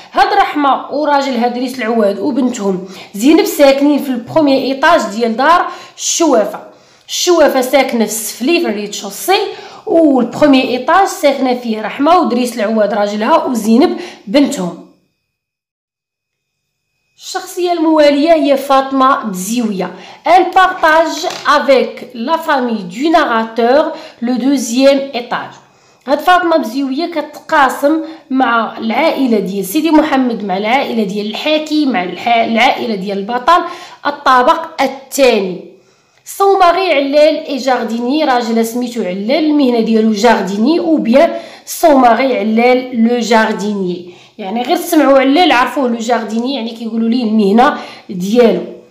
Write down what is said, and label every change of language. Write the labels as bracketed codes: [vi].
[ar] هاد رحمه وراجل هادريس العواد وبنتهم زينب ساكنين في [fr] البرومي ايطاج [ar] ديال دار الشوافه. الشوافه ساكنه في السفلي في الريتشوسي، والبرومي ايطاج ساكنه فيه رحمه ودريس العواد راجلها وزينب بنتهم. الشخصية الموالية هي فاطمة بزيوية. [fr] elle partage avec la famille du narrateur le deuxième étage. [ar] هاد فاطمة بزيوية كتقاسم مع العائلة ديال سيدي محمد، مع العائلة ديال الحاكي، مع العائلة ديال البطل الطابق الثاني. [fr] son mari [ar] علال اي جارديني، راجل سميتو علال، المهنة ديالو جارديني. [fr] او بيان son mari [ar] علال [fr] لو جارديني، [ar] يعني غير سمعوا علال عرفوه لو جارديني، يعني كيقولوا ليه المهنه ديالو.